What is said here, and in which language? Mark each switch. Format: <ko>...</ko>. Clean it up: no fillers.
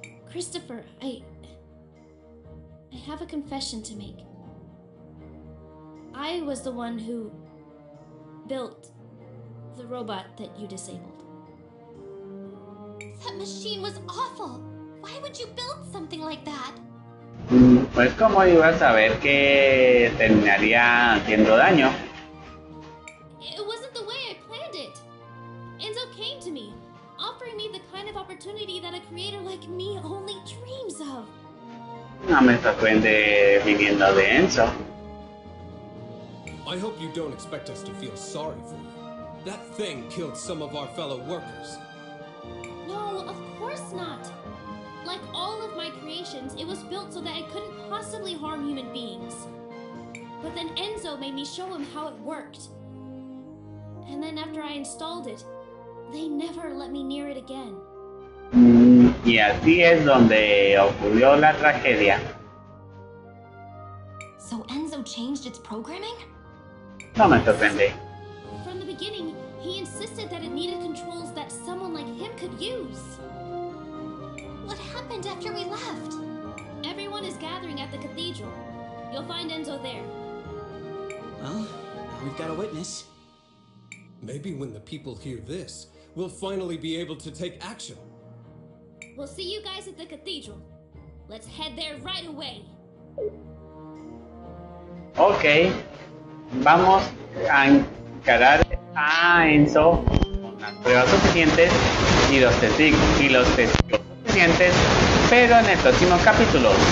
<en>Christopher, I have a confession to make. I was the one who built the robot that you disabled. That machine was awful. Why would you build something like that?</en> <es>Pues cómo iba a saber que terminaría haciendo daño.</es> <en>It wasn't the way I planned it. Enzo came to me, offering me the kind of opportunity that a creator like me only dreams of.</en> <es>No me sorprende viniendo de Enzo.</es> <en>I hope you don't expect us to feel sorry for you. That thing killed some of our fellow workers. No, of course not. Like all of my creations, it was built so that it couldn't possibly harm human beings. But then Enzo made me show him how it worked. And then after I installed it, they never let me near it again.</en> <es>Y así es donde ocurrió la tragedia.</es> <en>So Enzo changed its programming?</en> <es>No me sorprende.</es> <en>From the beginning, he insisted that it needed controls that someone like him could use. What happened after we left? Everyone is gathering at the cathedral. You'll find Enzo there. Well, now we've got a witness. Maybe when the people hear this, we'll finally be able to take action. We'll see you guys at the cathedral. Let's head there right away. Okay.</en> <es>Vamos a encarar a Enzo con las pruebas suficientes y los testigos suficientes, pero en el próximo capítulo.</es>